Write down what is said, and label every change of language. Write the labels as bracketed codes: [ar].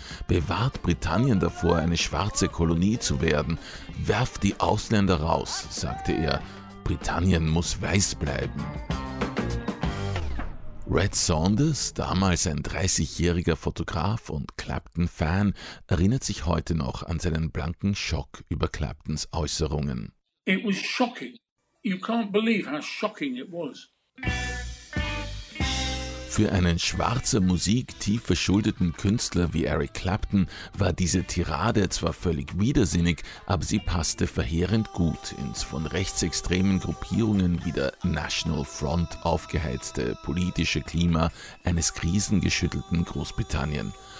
[de] Bewahrt Britannien davor, eine schwarze Kolonie zu werden, werft die Ausländer raus, sagte er. Britannien muss weiß bleiben. Red Saunders, damals ein 30-jähriger Fotograf und Clapton-Fan, erinnert sich heute noch an seinen blanken Schock über Claptons Äußerungen. [en] It was shocking. You can't believe how shocking it was. [de] Für einen schwarzer Musik tief verschuldeten Künstler wie Eric Clapton war diese Tirade zwar völlig widersinnig, aber sie passte verheerend gut ins von rechtsextremen Gruppierungen wie der National Front aufgeheizte politische Klima eines krisengeschüttelten Großbritannien.